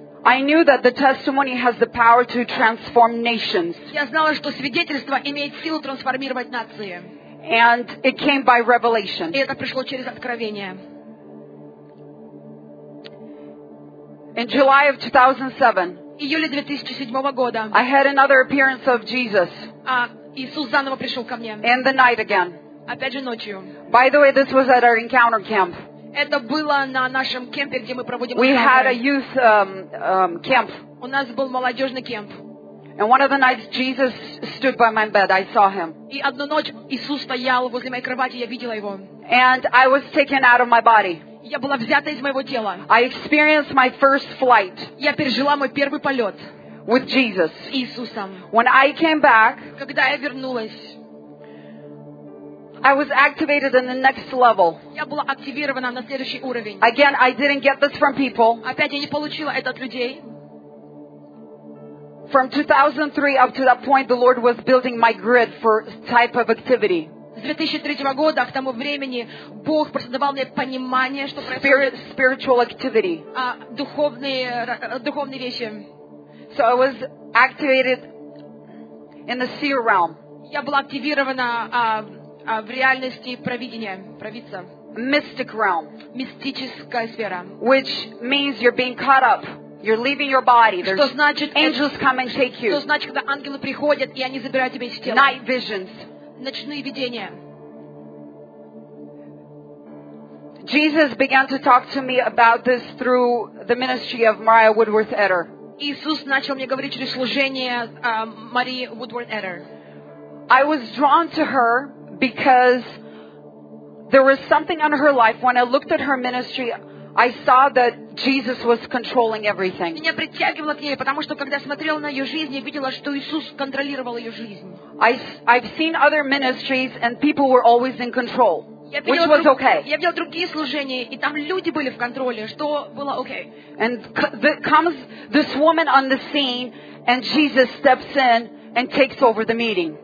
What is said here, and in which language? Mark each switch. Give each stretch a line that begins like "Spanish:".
English: I knew that the testimony has the power to transform nations.
Russian: Я знала, что свидетельство имеет силу трансформировать нации.
English: And it came by revelation.
Russian: И это пришло через откровение.
English: In July of 2007.
Russian: Июле 2007 года.
English: I had another appearance of Jesus.
Russian: Иисус заново пришел ко мне.
English: In the night again.
Russian: Опять же ночью.
English: By the way, this was at our encounter camp.
Russian: Это было на нашем кемпе, где мы проводим.
English: We had a youth camp.
Russian: У нас был молодежный кемп.
English: And one of the nights, Jesus stood by my bed. I saw him.
Russian: И одну ночь Иисус стоял возле моей кровати, я видела его.
English: And I was taken out of my body.
Russian: Я была взята из моего тела.
English: I experienced my first flight.
Russian: Я пережила мой первый полет.
English: With Jesus.
Russian: С Иисусом.
English: When I came back.
Russian: Когда я вернулась.
English: I was activated in the next level.
Russian: Я была активирована на следующий уровень.
English: Again, I didn't get this from people.
Russian: Опять я не получила это от людей.
English: From 2003 up to that point, the Lord was building my grid for type of activity.
Russian: С 2003 года к тому времени Бог просто давал мне понимание, что происходит.
English: Spiritual activity.
Russian: Духовные вещи.
English: So I was activated in the seer realm.
Russian: Я была активирована в реальности провидения, провидца.
English: Mystic realm.
Russian: Мистическая сфера.
English: Which means you're being caught up. You're leaving your body.
Russian: Что значит?
English: Angels come and take you.
Russian: Что значит, когда ангелы приходят и они забирают тебя из тела?
English: Night visions.
Russian: Ночные видения.
English: Jesus began to talk to me about this through the ministry of Maria Woodworth Edder.
Russian: Иисус начал мне говорить через служение Марии Woodworth Edder.
English: I was drawn to her because there was something on her life. When I looked at her ministry, I saw that Jesus was controlling everything.
Russian: Меня притягивало к ней, потому что когда смотрела на ее жизнь, я видела, что Иисус контролировал ее жизнь.
English: I've seen other ministries and people were always in control, which was okay.
Russian: Я видела другие служения, и там люди были в контроле, что было okay.
English: And comes this woman on the scene, and Jesus steps in and takes over the meeting.